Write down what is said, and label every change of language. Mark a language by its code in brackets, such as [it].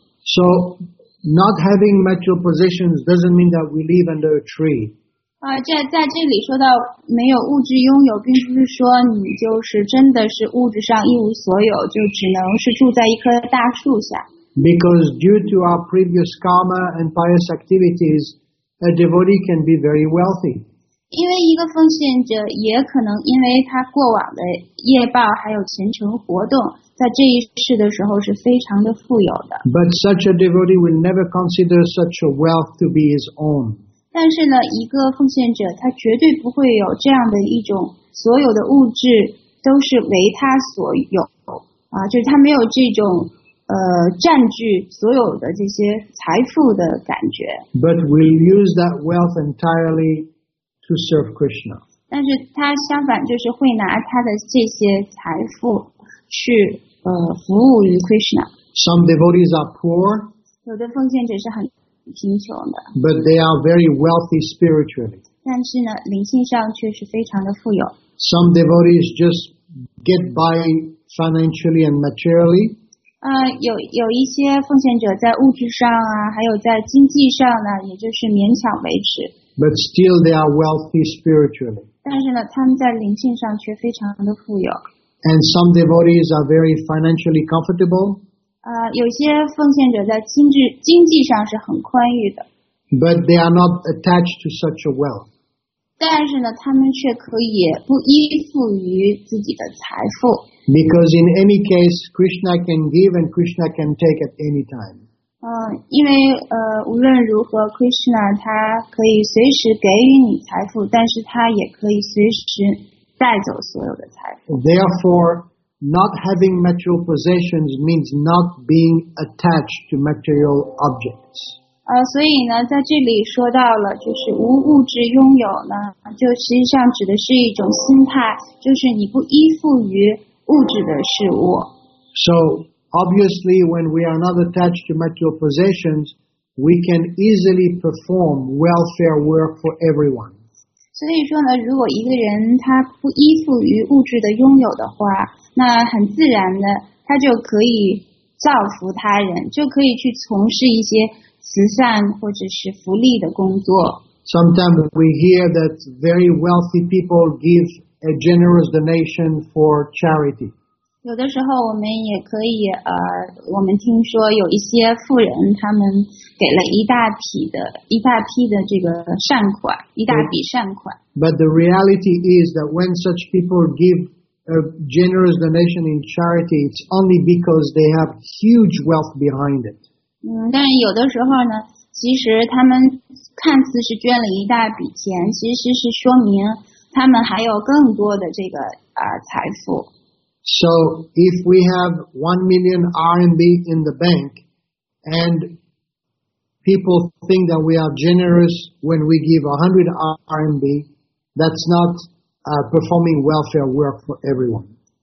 [en] So, not having material possessions doesn't mean that we live under a tree. [zh] 在这里说到没有物质拥有，并不是说你就是真的是物质上一无所有，就只能是住在一棵大树下。 [en] Because due to our previous karma and pious activities, a devotee can be very wealthy. [zh] 因为一个奉献者也可能因为他过往的业报还有前程活动，在这一世的时候是非常的富有的。 [en] But such a devotee will never consider such a wealth to be his own. [zh] 但是呢，一个奉献者他绝对不会有这样的一种所有的物质都是为他所有就是他没有这种。占据所有的这些财富的感觉。 [en] But we'll use that wealth entirely to serve Krishna. [zh] 但是他相反就是会拿他的这些财富去服务于 Krishna. [en] Some devotees are poor. [zh] 有的奉献者是很贫穷的。 [en] But they are very wealthy spiritually. [zh] 但是呢，灵性上却是非常的富有。 [en] Some devotees just get by financially and materially. [zh] 有一些奉献者在物质上啊，还有在经济上呢，也就是勉强维持。 [en] But still they are wealthy spiritually. [zh] 但是呢，他们在灵性上却非常的富有。 [en] And some devotees are very financially comfortable. [zh] 有些奉献者在经济上是很宽裕的。 [en] But they are not attached to such a wealth. [zh] 但是呢，他们却可以不依附于自己的财富。 [en] Because in any case, Krishna can give and Krishna can take at any time. [zh] 因为无论如何 ，Krishna 他可以随时给予你财富，但是他也可以随时带走所有的财富。 [en] Therefore, not having material possessions means not being attached to material objects. [zh] 所以呢，在这里说到了，就是无物质拥有呢，就实际上指的是一种心态，就是你不依附于。物质的事物。 [en] So obviously, when we are not attached to material possessions, we can easily perform welfare work for everyone. [zh] 所以说呢，如果一个人他不依附于物质的拥有的话，那很自然的，他就可以造福他人，就可以去从事一些慈善或者是福利的工作。 [en] Sometimes we hear that very wealthy people give a generous donation for charity. [zh] 有的时候我们也可以我们听说有一些富人他们给了一大批的这个善款，一大笔善款。 [en] But the reality is that when such people give a generous donation in charity, it's only because they have huge wealth behind it. [zh] 但有的时候呢，其实他们看似是捐了一大笔钱，其实是说明他们还有更多的这个财富。 [en] So if we have 1 million RMB in the bank, and people think that we are generous when we give 100 RMB, that's not performing welfare work for everyone.